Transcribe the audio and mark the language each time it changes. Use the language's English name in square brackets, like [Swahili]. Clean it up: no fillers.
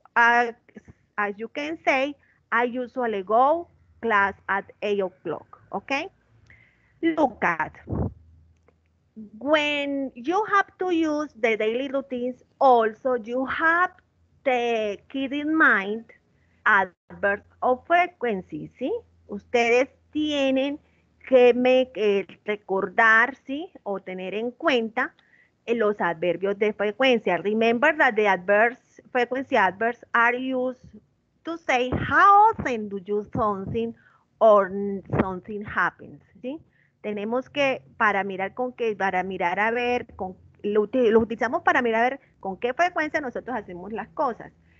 [English] As you can say, I usually go class at 8 o'clock. Okay? Look at when you have to use the daily routines. Also, you have the kid in mind, adverbs of frequency, ¿sí? [Spanish] Ustedes tienen que recordar, ¿sí? O tener en cuenta los adverbios de frecuencia. [English] Remember that the adverbs, frequency adverbs are used to say how often do you something or something happens. [Spanish] ¿Sí? Tenemos que, para mirar con qué, para mirar a ver, con, lo utilizamos para mirar a ver con qué frecuencia nosotros hacemos las cosas.